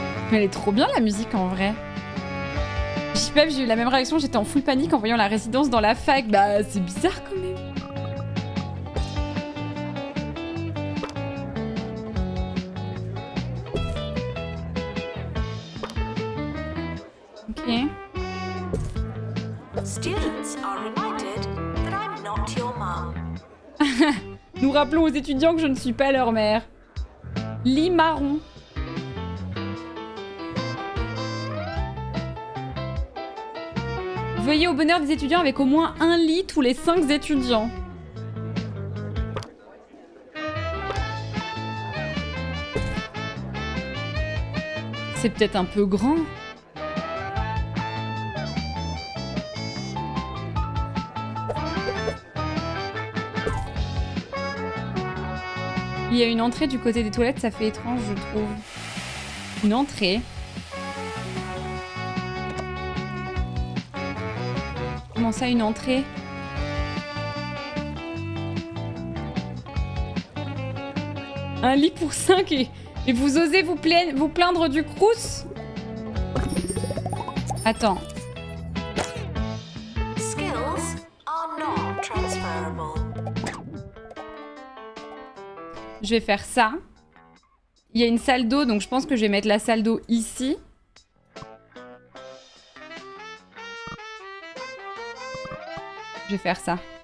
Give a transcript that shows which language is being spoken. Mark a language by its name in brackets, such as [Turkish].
[French] Mais elle est trop bien la musique en vrai. J'ai eu la même réaction, j'étais en full panique en voyant la résidence dans la fac. Bah c'est bizarre quand même. Ok. [English] Students are reminded that I'm not your mom. [French] Nous rappelons aux étudiants que je ne suis pas leur mère. Lee Marron. Veuillez au bonheur des étudiants avec au moins un lit tous les 5 étudiants. C'est peut-être un peu grand. Il y a une entrée du côté des toilettes, ça fait étrange, je trouve. Une entrée. Comment ça, une entrée? Un lit pour 5 et vous osez vous plaindre du crous? Attends. [English] Skills are not transferable. [French] Je vais faire ça. Il y a une salle d'eau, donc je pense que je vais mettre la salle d'eau ici. Je vais faire ça.